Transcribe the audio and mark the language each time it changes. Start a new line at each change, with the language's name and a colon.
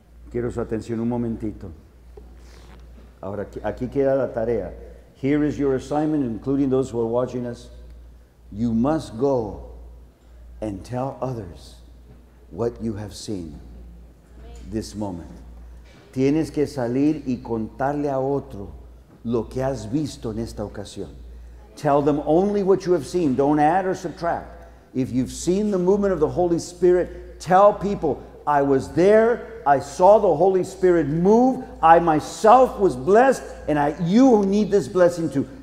Spanish: Quiero su atención un momentito. Ahora, aquí queda la tarea.
English: Here is your assignment, including those who are watching us. You must go and tell others what you have seen this moment.
Spanish: Tienes que salir y contarle a otro lo que has visto en esta ocasión.
English: Tell them only what you have seen. Don't add or subtract. If you've seen the movement of the Holy Spirit, tell people, I was there, I saw the Holy Spirit move, I myself was blessed, and you need this blessing too.